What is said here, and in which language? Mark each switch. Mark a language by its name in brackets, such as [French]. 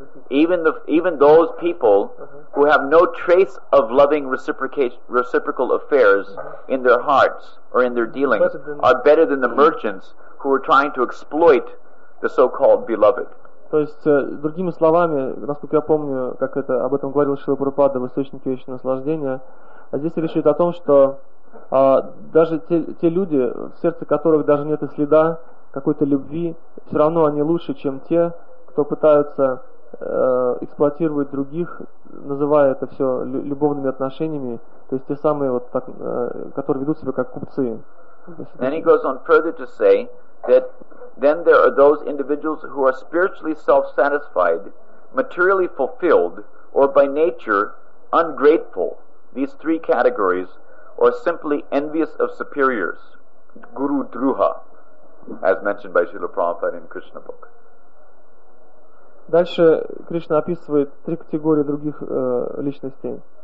[English] Even those people who have no trace of loving reciprocal affairs in their hearts or in their dealings are better than the merchants who are trying to exploit the so-called beloved. [Russian] То есть, другими словами, насколько я помню, как это об этом говорил Шрила Прабхупада в источнике вечного наслаждения, здесь речь идет о том, что даже те люди, в сердце которых даже нет и следа какой-то любви, все равно они лучше, чем те, кто пытаются эксплуатировать других, называя это все любовными отношениями, то есть те самые, вот так, которые ведут себя как купцы. [English] Then he goes on further to say that then there are those individuals who are spiritually self-satisfied, materially fulfilled, or by nature ungrateful, these three categories, or simply envious of superiors, guru druha, as mentioned by Srila Prabhupada in Krishna book. [Russian] Дальше Кришна описывает три категории других личностей.